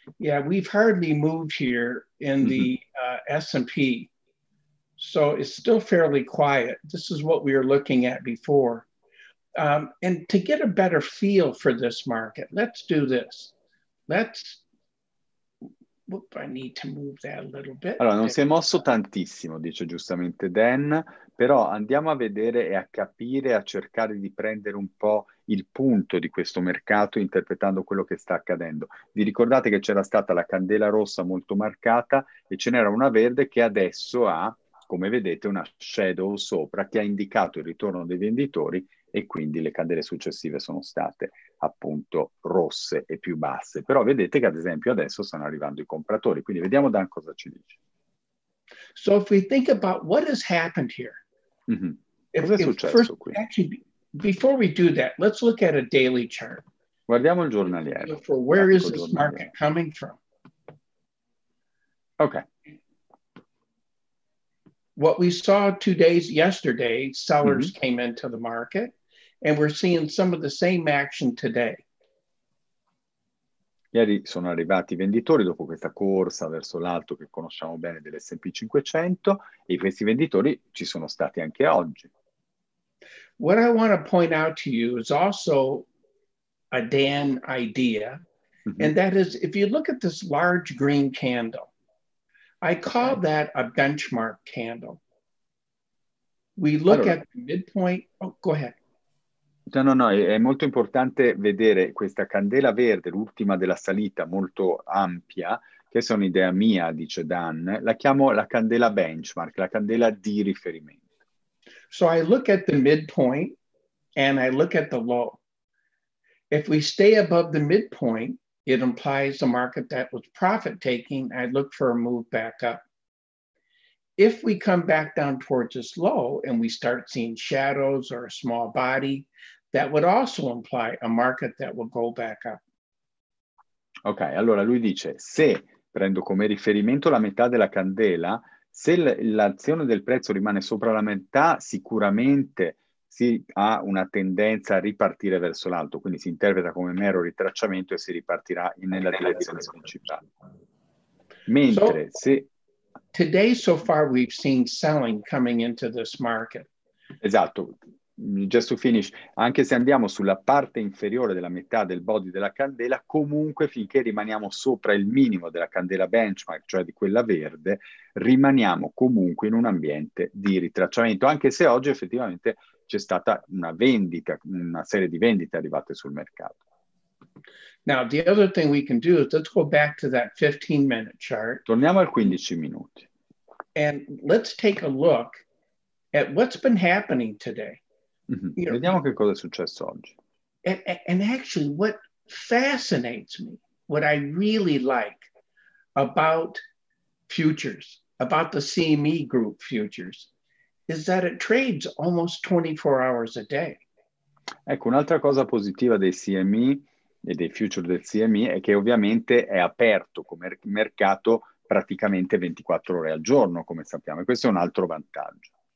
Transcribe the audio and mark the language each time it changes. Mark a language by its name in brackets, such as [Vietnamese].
[English] Yeah, we've hardly moved here in the S&P. So it's still fairly quiet. This is what we were looking at before. And to get a better feel for this market, let's do this. I need to move that a little bit. [Italian] Allora, non si è mosso tantissimo, dice giustamente Dan, però andiamo a vedere e a capire, a cercare di prendere un po' il punto di questo mercato interpretando quello che sta accadendo. Vi ricordate che c'era stata la candela rossa molto marcata e ce n'era una verde che adesso ha, come vedete, una shadow sopra che ha indicato il ritorno dei venditori e quindi le candele successive sono state appunto rosse e più basse. Però vedete che ad esempio adesso stanno arrivando i compratori, quindi vediamo Dan cosa ci dice. [English] So if we think about what has happened here. [Italian] Cosa è successo [English] first, [Italian] qui? [English] Actually, before we do that, let's look at a daily chart. [Italian] Guardiamo il giornaliero. [English] For where is this market coming from? Okay. What we saw 2 days yesterday, sellers came into the market, and we're seeing some of the same action today. [Italian] Ieri sono arrivati i venditori dopo questa corsa verso l'alto che conosciamo bene dell'S&P 500, e questi venditori ci sono stati anche oggi. [English] What I want to point out to you is also a Dan idea, and that is, if you look at this large green candle, I call that a benchmark candle. We look at the midpoint. Oh, go ahead. [Italian] No, no, no, è molto importante vedere questa candela verde, l'ultima della salita, molto ampia, che è un'idea mia, dice Dan. La chiamo la candela benchmark, la candela di riferimento. [English] So I look at the midpoint and I look at the low. If we stay above the midpoint, it implies a market that was profit taking. I look for a move back up. If we come back down towards this low and we start seeing shadows or a small body, that would also imply a market that will go back up. [Italian] Ok, allora lui dice, se prendo come riferimento la metà della candela, se l'azione del prezzo rimane sopra la metà, sicuramente si ha una tendenza a ripartire verso l'alto, quindi si interpreta come mero ritracciamento e si ripartirà nella direzione principale. Mentre se... [English] Today so far we've seen selling coming into this market. [Italian] Esatto. [English] Just to finish, [Italian] anche se andiamo sulla parte inferiore della metà del body della candela, comunque finché rimaniamo sopra il minimo della candela benchmark, cioè di quella verde, rimaniamo comunque in un ambiente di ritracciamento, anche se oggi effettivamente c'è stata una vendita, una serie di vendite arrivate sul mercato. [English] Now, the other thing we can do is let's go back to that 15-minute chart. [Italian] Torniamo al 15 minuti. [English] And let's take a look at what's been happening today. [Italian] Vediamo che cosa è successo oggi. [English] And actually, what fascinates me, what I really like about futures, about the CME Group futures, is that it trades almost 24 hours a day. [Italian] Ecco, un'altra cosa positiva dei CME e dei future del CME è che ovviamente è aperto come mercato praticamente 24 ore al giorno, come sappiamo, e questo è un altro vantaggio.